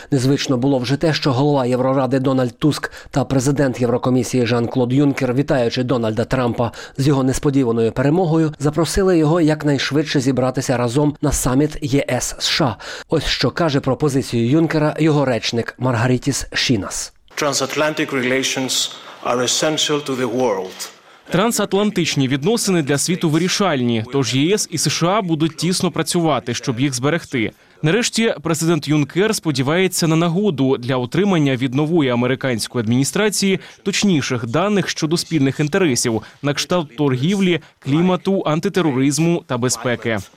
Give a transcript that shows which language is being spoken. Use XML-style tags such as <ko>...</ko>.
<uk>Незвично було вже те, що голова Євроради Дональд Туск та президент Єврокомісії Жан-Клод Юнкер, вітаючи Дональда Трампа з його несподіваною перемогою, запросили його якнайшвидше зібратися разом на саміт ЄС-США. Ось що каже про позицію Юнкера його речник Маргарітіс Шінас.</uk> <en>Transatlantic relations are essential to the world.</en> <uk>Трансатлантичні відносини для світу вирішальні, тож ЄС і США будуть тісно працювати, щоб їх зберегти. Нарешті президент Юнкер сподівається на нагоду для отримання від нової американської адміністрації точніших даних щодо спільних інтересів на кшталт торгівлі, клімату, антитероризму та безпеки.</uk>